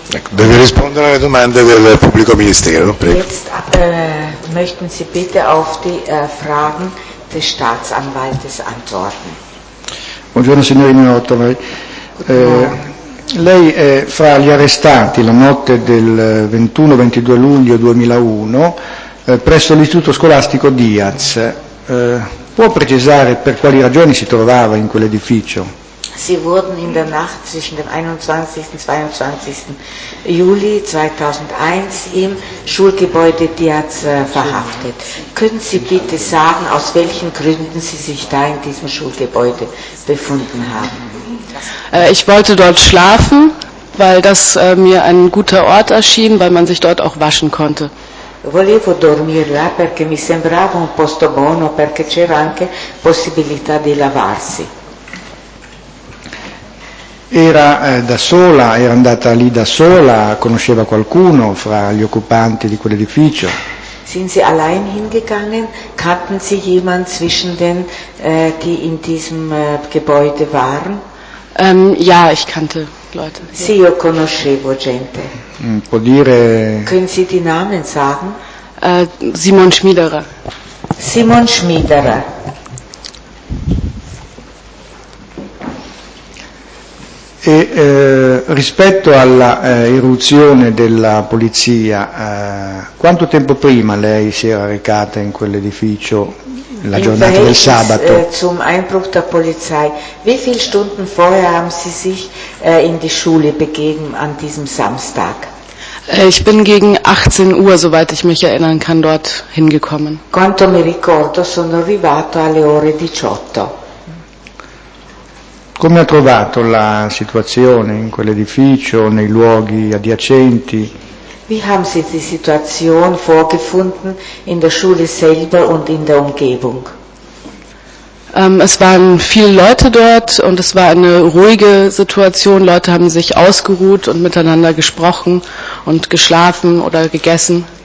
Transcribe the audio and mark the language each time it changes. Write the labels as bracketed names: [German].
[Italian] Deve rispondere alle domande del pubblico ministero, prego. [German] Jetzt möchten Sie bitte auf die Fragen des Staatsanwaltes antworten. [Italian] Buongiorno signorina Ottowal. Lei è fra gli arrestati la notte del 21-22 luglio 2001 presso l'istituto scolastico Diaz. Può precisare per quali ragioni si trovava in quell'edificio? [German] Sie wurden in der Nacht zwischen dem 21. und 22. Juli 2001 im Schulgebäude Diaz verhaftet. Können Sie bitte sagen, aus welchen Gründen Sie sich da in diesem Schulgebäude befunden haben? Ich wollte dort schlafen, weil das mir ein guter Ort erschien, weil man sich dort auch waschen konnte. [Italian] Volevo dormire là perché mi sembrava un posto buono, perché c'era anche possibilità di lavarsi. Era da sola, era andata lì da sola, conosceva qualcuno fra gli occupanti di quell'edificio? [German] Sind Sie allein hingegangen? Kannten Sie jemanden zwischen den, die in diesem Gebäude waren? Ja, ich kannte Leute. [Italian] Sì, io conoscevo gente. Può dire... [German] Können Sie die Namen sagen? Simon Schmiederer. Simon Schmiederer. [Italian] E rispetto alla irruzione della polizia, quanto tempo prima lei si era recata in quell'edificio la giornata del sabato? [German] Zum Einbruch der Polizei. Wie viele Stunden vorher haben Sie sich in die Schule begeben an diesem Samstag? Ich bin gegen 18 Uhr, soweit ich mich erinnern kann, dort hingekommen. [Italian] Quanto mi ricordo, sono arrivato alle ore 18. Come ha trovato la situazione in quell'edificio, nei luoghi adiacenti? [German] Wie haben Sie die Situation vorgefunden in der Schule selber und in der Umgebung? Es waren viele Leute dort und es war eine ruhige Situation. Leute haben sich ausgeruht und miteinander gesprochen und geschlafen oder gegessen.